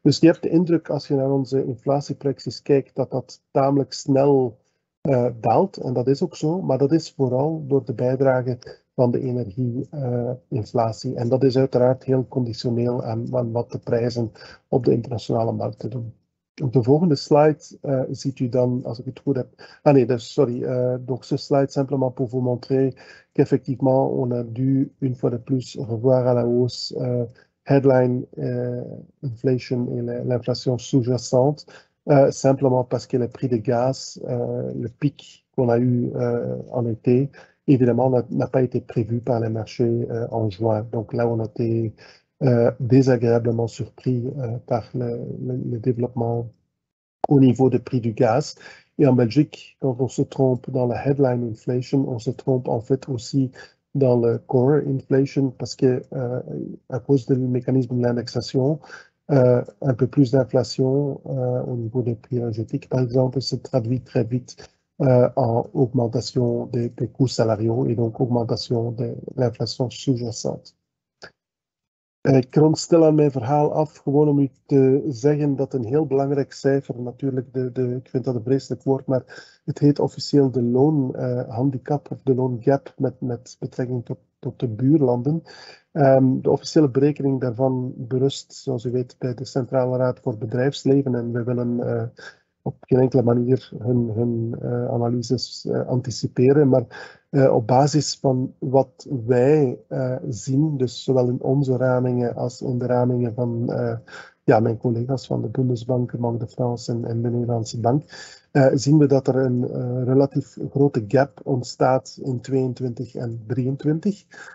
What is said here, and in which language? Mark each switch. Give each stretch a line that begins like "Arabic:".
Dutch: Dus je hebt de indruk, als je naar onze inflatieprojecties kijkt, dat dat tamelijk snel daalt. En dat is ook zo, maar dat is vooral door de bijdrage van de energieinflatie. En dat is uiteraard heel conditioneel aan wat de prijzen op de internationale markten doen. Op de volgende slide ziet u dan, als ik het goed heb. Ah nee, dus sorry.
French: Donc ce slide, simplement pour vous montrer qu'effectivement, on a dû une fois de plus revoir à la hausse headline inflation et l'inflation sous-jacente. Simplement parce que le prix de gaz, le pic qu'on a eu en été, évidemment, n'a pas été prévu par les marchés en juin. Donc là, on a été désagréablement surpris par le développement au niveau des prix du gaz. Et en Belgique, quand on se trompe dans la headline inflation, on se trompe en fait aussi dans le core inflation parce que à cause du mécanisme de l'indexation, un peu plus d'inflation au niveau des prix énergétiques, par exemple, se traduit très vite en augmentation des coûts salariaux et donc augmentation de l'inflation sous-jacente.
Dutch: Ik rond stil aan mijn verhaal af, gewoon om u te zeggen dat een heel belangrijk cijfer, natuurlijk, ik vind dat een vreselijk woord, maar het heet officieel de loonhandicap of de loongap met betrekking tot de buurlanden. De officiële berekening daarvan berust, zoals u weet, bij de Centrale Raad voor Bedrijfsleven en we willen op geen enkele manier hun analyses anticiperen, maar op basis van wat wij zien, dus zowel in onze ramingen als in de ramingen van mijn collega's van de Bundesbank, Banque de France en de Nederlandse Bank, zien we dat er een relatief grote gap ontstaat in 2022 en 2023.